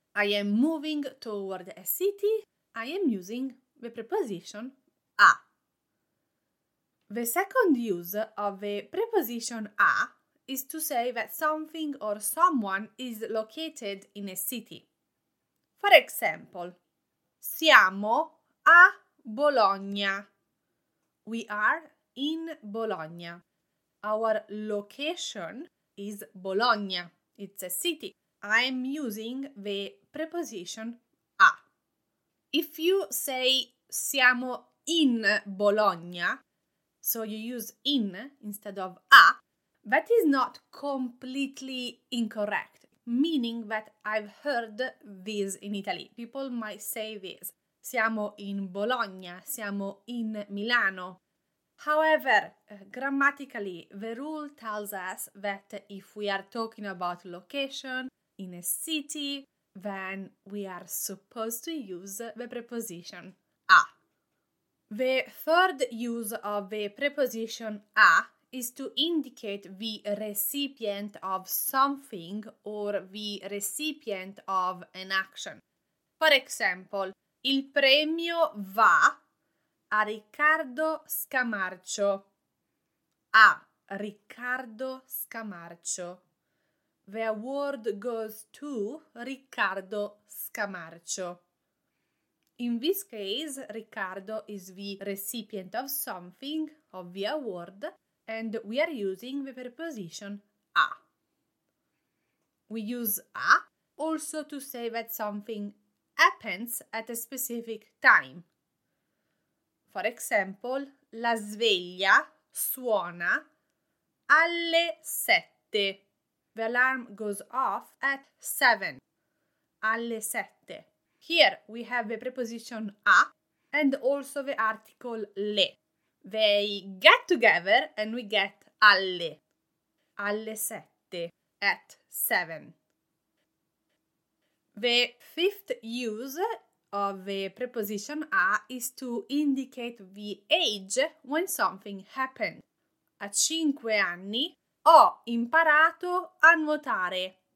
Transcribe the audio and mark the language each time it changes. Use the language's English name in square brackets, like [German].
[English] I am moving toward a city. I am using the preposition a. The second use of the preposition a is to say that something or someone is located in a city. For example, [Italian] siamo a Bologna. [English] We are in Bologna. Our location is Bologna. It's a city. I am using the preposition a. If you say [Italian] siamo in Bologna, [English] so you use in instead of a, that is not completely incorrect, meaning that I've heard this in Italy. People might say this. [Italian] Siamo in Bologna, siamo in Milano. [English] However, grammatically, the rule tells us that if we are talking about location in a city, then we are supposed to use the preposition a. The third use of the preposition a is to indicate the recipient of something or the recipient of an action. For example, [Italian] il premio va a Riccardo Scamarcio. A Riccardo Scamarcio. [English] The award goes to Riccardo Scamarcio. In this case, Riccardo is the recipient of something, of the award, and we are using the preposition a. We use a also to say that something happens at a specific time. For example, [Italian] la sveglia suona alle sette. [English] The alarm goes off at 7, [Italian] alle sette. [English] Here we have the preposition a and also the article le. They get together and we get [Italian] alle, alle sette, [English] at 7. The fifth use of the preposition a is to indicate the age when something happened. [Italian] A 5 anni ho imparato a nuotare.